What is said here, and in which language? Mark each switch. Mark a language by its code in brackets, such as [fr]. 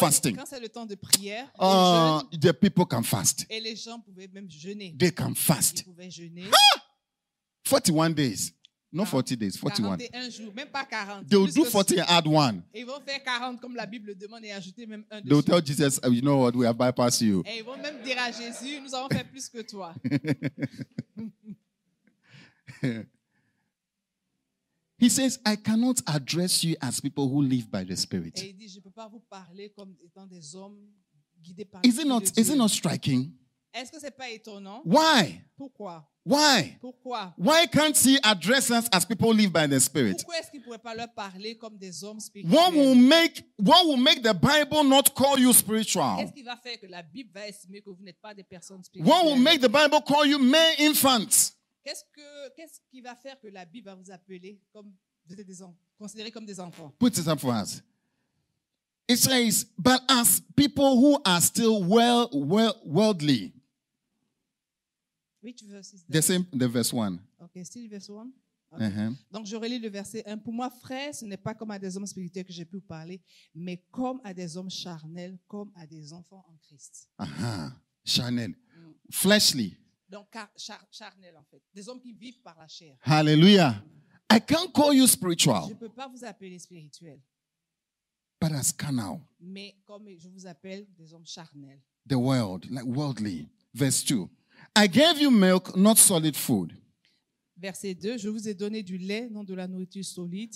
[en] fasting, [fr] quand c'est le temps de prière, [en] the people can fast. [fr] Et les gens pouvaient même jeûner. [en] They can fast. [fr] Ils pouvaient jeûner. [en] Ha! 41 days. Not 40 days, 41. [fr] 41 jours, même pas 40. [en] They'll do 40 and add one. [fr] Et ils vont faire 40 comme la Bible demande et ajouter même un dessus. [en] They'll tell Jesus, you know what, we have bypassed you. [fr] Et ils vont même dire à Jésus, nous avons fait plus que toi. [en] He says, I cannot address you as people who live by the Spirit. [fr] Et il dit, je peux pas vous parler comme étant des hommes guidés par [en] le Saint-Esprit. Is it not striking? [fr] Est-ce que c'est pas étonnant? [en] Why? [fr] Pourquoi? [en] Why? [fr] Pourquoi? [en] Why can't he address us as people who live by the Spirit? [fr] Pourquoi est-ce qu'il pourrait pas leur parler comme des hommes spirituels? [en] What will make the Bible not call you spiritual? [fr] Qu'est-ce qui va faire que la Bible va estimer que vous n'êtes pas des personnes spirituelles? [en] What will make the Bible call you mere infants? [fr] Qu'est-ce qui va faire que la Bible va vous appeler comme vous êtes des enfants, considérés comme des enfants? [en] Put it up for us. It says, but as people who are still worldly. Which verse is that? The verse 1. Okay, still verse 1. Okay. Uh-huh. [fr] Donc, je relis le verset 1. Pour moi, frère, ce n'est pas comme à des hommes spirituels que j'ai pu vous parler, mais comme à des hommes charnels, comme à des enfants en Christ. Charnel. Fleshly. Donc, charnel, en fait. Des hommes qui vivent par la chair. [en] Hallelujah. I can't call you spiritual. [fr] Je ne peux pas vous appeler spirituel. [en] But as carnal. [fr] Mais comme je vous appelle des hommes charnels. [en] the world, like worldly. Verse 2. I gave you milk, not solid food. [fr] Verset 2. Je vous ai donné du lait, non de la nourriture solide.